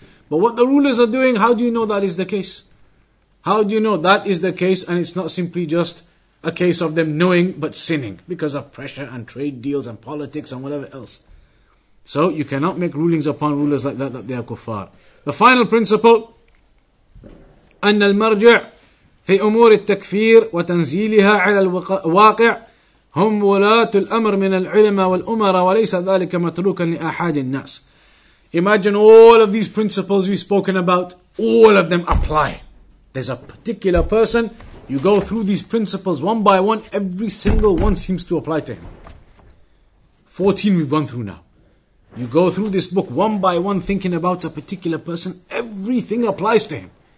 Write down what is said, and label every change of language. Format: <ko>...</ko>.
<en>But what the rulers are doing, how do you know that is the case? How do you know that is the case and it's not simply just a case of them knowing but sinning because of pressure and trade deals and politics and whatever else? So you cannot make rulings upon rulers like that they are kuffar. The final principle,</en> <ar>أن المرجع في أمور التكفير وتنزيلها على الواقع هم ولاة الأمر من العلماء والأمراء وليس ذلك متروكا لأحد الناس.</ar> <en>Imagine all of these principles we've spoken about, all of them apply. There's a particular person, you go through these principles one by one, every single one seems to apply to him. 14 we've gone through now. You go through this book one by one thinking about a particular person, everything applies to him.</en>